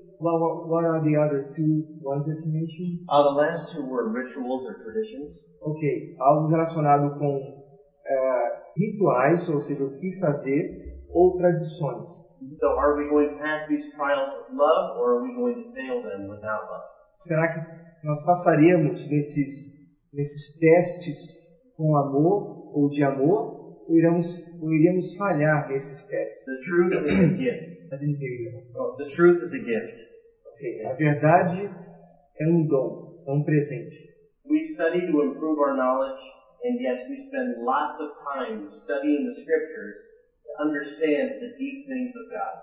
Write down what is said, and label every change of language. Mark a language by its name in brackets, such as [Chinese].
[English] What are the other two ones that you mentioned? The last two were rituals or traditions. [Portuguese] Okay, algo relacionado com rituais, ou seja, o que fazer, ou tradições. [English] So are we going to pass these trials with love, or are we going to fail them without love? [Portuguese] Será que nós passaremos nesses testes com amor ou de amor, ou iremos falhar nesses testes? [English] The truth is a gift. I didn't hear you. The truth is a gift. Okay. [Portuguese] A verdade é um dom, é um presente. [English] We study to improve our knowledge, and yes, we spend lots of time studying the scriptures. to understand the deep things of God.